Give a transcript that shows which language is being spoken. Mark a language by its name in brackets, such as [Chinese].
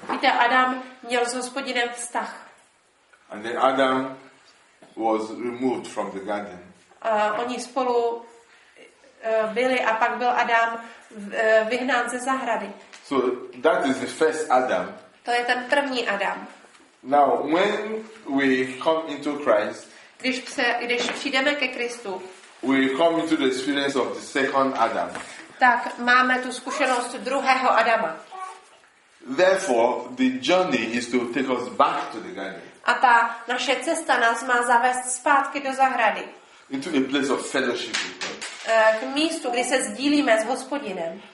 [Czech] Víte, Adam měl s Hospodinem vztah. [English] And then Adam was removed from the garden. [Czech] A oni spolu byli a pak byl Adam vyhnán ze zahrady. [English] So that is the first Adam. [Czech] To je ten první Adam. [English] Now, when we come into Christ, [Czech] když přijdeme ke Kristu, [English] we come into the experience of the second Adam. [Czech] Tak máme tu zkušenost druhého Adama. [English] Therefore, the journey is to take us back to the garden. [Czech] A ta naše cesta nás má zavést zpátky do zahrady. [English] Into a place of fellowship with God. [Czech] K místu, kde se sdílíme s Hospodinem.